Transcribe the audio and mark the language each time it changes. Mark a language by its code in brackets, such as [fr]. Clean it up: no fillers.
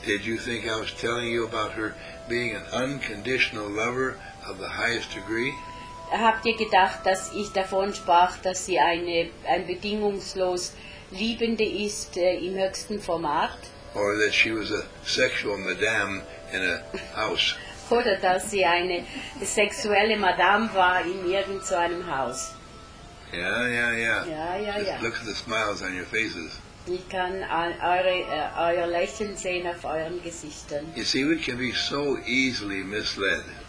[en] Did you think I was telling you about her being an unconditional lover of the highest degree? [de] Habt ihr gedacht, dass ich davon sprach, dass sie ein bedingungslos Liebende ist im höchsten Format? [en] Or that she was a sexual madame in a house? [de] Oder dass sie eine sexuelle Madame war in irgendeinem Haus. Ja. [en] Look at the smiles on your faces. [de] Ich kann euer Lächeln sehen auf euren Gesichtern. [en] You see, we can be so easily misled.